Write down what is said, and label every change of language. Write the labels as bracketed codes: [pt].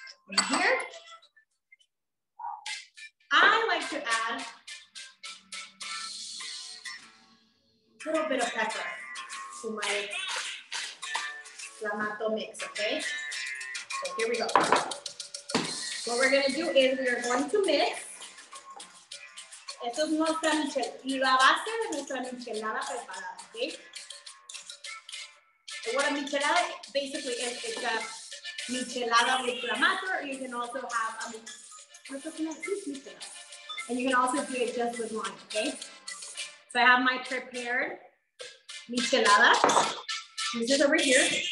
[en] In here, I like to add a little bit of pepper to my clamato mix, okay? So here we go. What we're gonna do is we're going to mix. [es] Esto es nuestra michelada, y la base de nuestra michelada preparada, okay? [en] So what a michelada basically is, it's a michelada with clamato, or you can also have a michelada. And you can also do it just with wine, okay? So I have my prepared michelada. This is over here.